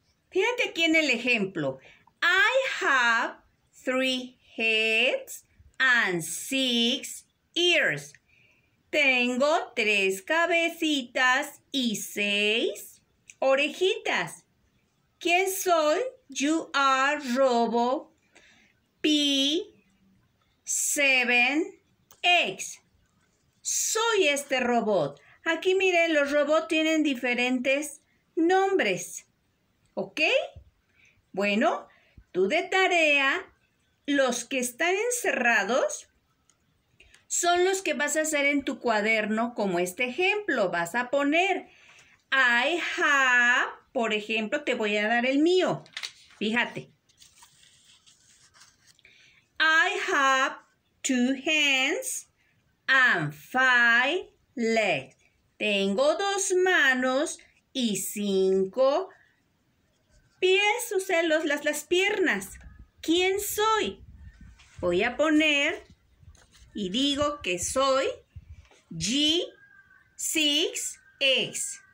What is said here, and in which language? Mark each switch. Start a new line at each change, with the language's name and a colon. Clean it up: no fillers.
Spanish: Fíjate aquí en el ejemplo.
English: I have three heads and six ears.
Spanish: Tengo tres cabecitas y seis orejitas. ¿Quién soy?
English: You are Robo P7X.
Spanish: Soy este robot. Aquí miren, los robots tienen diferentes nombres. ¿Ok? Bueno, tú de tarea. Los que están encerrados son los que vas a hacer en tu cuaderno, como este ejemplo. Vas a poner,
English: I have,
Spanish: por ejemplo, te voy a dar el mío. Fíjate.
English: I have two hands and five legs.
Spanish: Tengo dos manos y cinco pies, o sea, las piernas. ¿Quién soy? Voy a poner y digo que soy G6X.